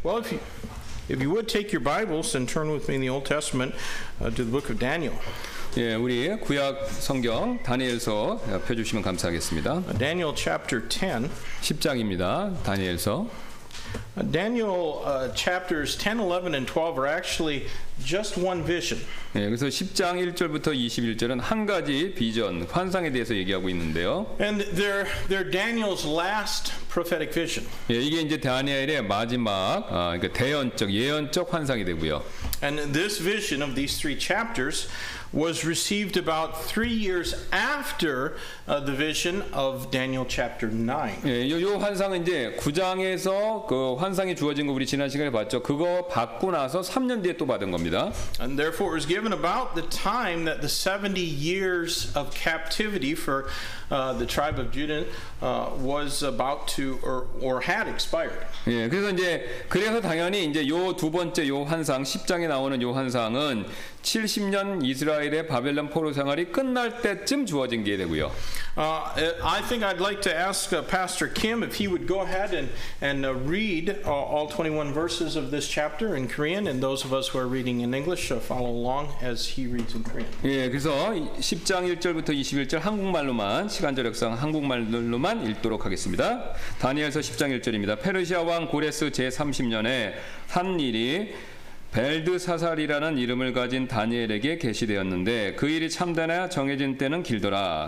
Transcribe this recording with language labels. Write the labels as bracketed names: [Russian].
[English] Well, if you would take your Bibles and turn with me in the Old Testament to the book of Daniel. [Korean] 예, 우리 구약 성경 다니엘서 펴주시면 감사하겠습니다. [English] Daniel chapter 10. [Korean] 10장입니다. 다니엘서. [English] Daniel chapters 10, 11, and 12 are actually just one vision. [Korean] 네, 그래서 10장 1절부터 21절은 한 가지 비전, 환상에 대해서 얘기하고 있는데요. [English] And they're Daniel's last prophetic vision. [Korean] 예, 이게 이제 다니엘의 마지막 그러니까 대언적 예언적 환상이 되고요. [English] And this vision of these three chapters was received about 3 years after the vision of Daniel chapter 9. [Korean] 예, 요 환상은 이제 9장에서 그 환상이 주어진 거 우리 지난 시간에 봤죠. 그거 받고 나서 3년 뒤에 또 받은 겁니다. [English] And therefore it was given about the time that the 70 years of captivity for the tribe of Judah was about to or had expired. [Korean] 예, 그래서 이제 그래서 당연히 이제 요 두 번째 요 환상 10장에 나오는 요 환상은 70년 이스라엘의 바벨론 포로 생활이 끝날 때쯤 주어진 게 되고요. [English] I think I'd like to ask Pastor Kim if he would go ahead and read all 21 verses of this chapter in Korean, and those of us who are reading in English follow along as he reads in Korean. [Korean] 예, 그래서 10장 1절부터 21절 한국말로만 시간적 역사상 한국말로만 읽도록 하겠습니다. 다니엘서 10장 1절입니다. 페르시아 왕 고레스 제 30년에 한 일이 벨드사살이라는 이름을 가진 다니엘에게 계시되었는데 그 일이 참되나 정해진 때는 길더라.